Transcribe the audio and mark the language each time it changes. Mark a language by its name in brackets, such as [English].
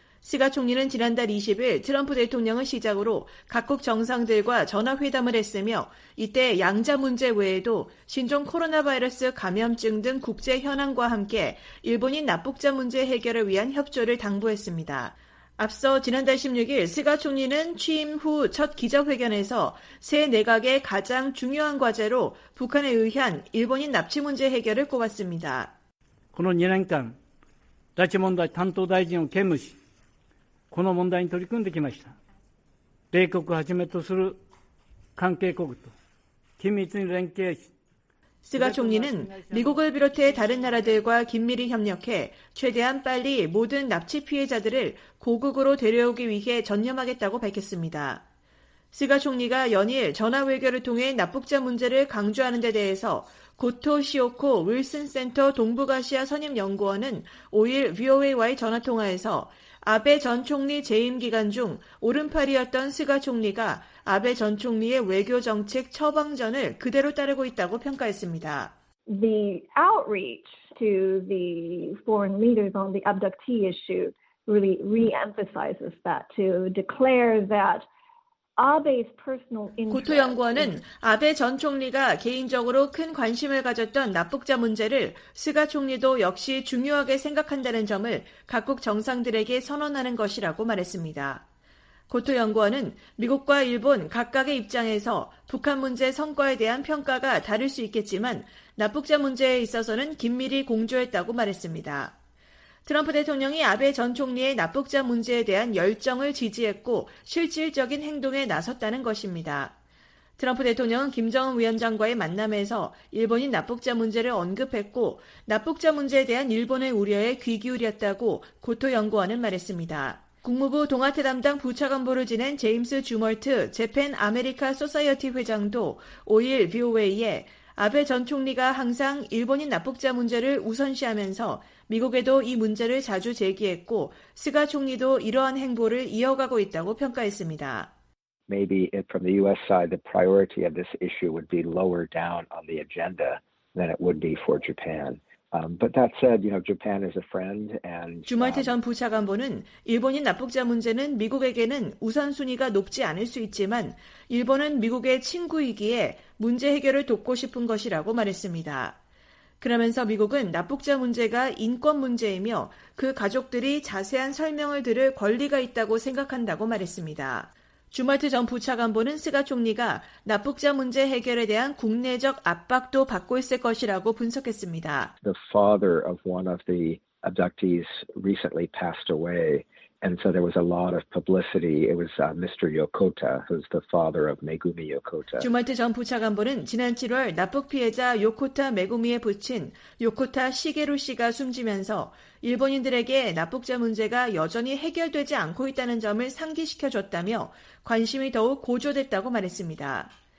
[Korean] 시가 총리는 지난달 20일 트럼프 대통령을 시작으로 각국 정상들과 전화회담을 했으며 이때 양자 문제 외에도 신종 코로나 바이러스 감염증 등 국제 현안과 함께 일본인 납북자 문제 해결을 위한 협조를 당부했습니다. 앞서 지난달 16일 스가 총리는 취임 후 첫 기자회견에서 새 내각의 가장 중요한 과제로 북한에 의한 일본인 납치 문제 해결을 꼽았습니다. 그는 2년간 [Japanese] 拉致問題担当大臣を兼務し、この問題に取り組んできました。米国をはじめとする関係国と緊密に連携し、 [Korean] 스가 총리는 미국을 비롯해 다른 나라들과 긴밀히 협력해 최대한 빨리 모든 납치 피해자들을 고국으로 데려오기 위해 전념하겠다고 밝혔습니다. 스가 총리가 연일 전화 외교를 통해 납북자 문제를 강조하는 데 대해서 고토 시오코 윌슨 센터 동북아시아 선임 연구원은 5일 VOA와의 전화 통화에서 아베 전 총리 재임 기간 중 오른팔이었던 스가 총리가 아베 전 총리의 외교 정책 처방전을 그대로 따르고 있다고 평가했습니다. [English] The outreach to the foreign leaders on the abductee issue really re-emphasizes that to declare that [Korean] 고토 연구원은 아베 전 총리가 개인적으로 큰 관심을 가졌던 납북자 문제를 스가 총리도 역시 중요하게 생각한다는 점을 각국 정상들에게 선언하는 것이라고 말했습니다. 고토 연구원은 미국과 일본 각각의 입장에서 북한 문제 성과에 대한 평가가 다를 수 있겠지만 납북자 문제에 있어서는 긴밀히 공조했다고 말했습니다. 트럼프 대통령이 아베 전 총리의 납북자 문제에 대한 열정을 지지했고 실질적인 행동에 나섰다는 것입니다. 트럼프 대통령은 김정은 위원장과의 만남에서 일본인 납북자 문제를 언급했고 납북자 문제에 대한 일본의 우려에 귀 기울였다고 고토 연구원은 말했습니다. 국무부 동아태 담당 부차관보를 지낸 제임스 주멀트 재팬 아메리카 소사이어티 회장도 5일 VOA에 아베 전 총리가 항상 일본인 납북자 문제를 우선시하면서 미국에도 이 문제를 자주 제기했고 스가 총리도 이러한 행보를 이어가고 있다고 평가했습니다. [English] Maybe from the US side the priority of this issue would be lower down on the agenda than it would be for Japan. But that said, you know, Japan is a friend and [Korean] 주말트 전 부차관보는 일본인 납북자 문제는 미국에게는 우선순위가 높지 않을 수 있지만 일본은 미국의 친구이기에 문제 해결을 돕고 싶은 것이라고 말했습니다. 그러면서 미국은 납북자 문제가 인권 문제이며 그 가족들이 자세한 설명을 들을 권리가 있다고 생각한다고 말했습니다. 주말트 전 부차관보는 스가 총리가 납북자 문제 해결에 대한 국내적 압박도 받고 있을 것이라고 분석했습니다. [English] The father of one of the abductees recently passed away. And so there was a lot of publicity. It was Mr. Yokota, who's the father of Megumi Yokota. [Korean] 주말트 전 부차관보는 지난 7월 납북 피해자 요코타 메구미의 부친 요코타 시게루 씨가 숨지면서 일본인들에게 납북자 문제가 여전히 해결되지 않고 있다는 점을 상기시켜줬다며 관심이 더욱 고조됐다고 말했습니다.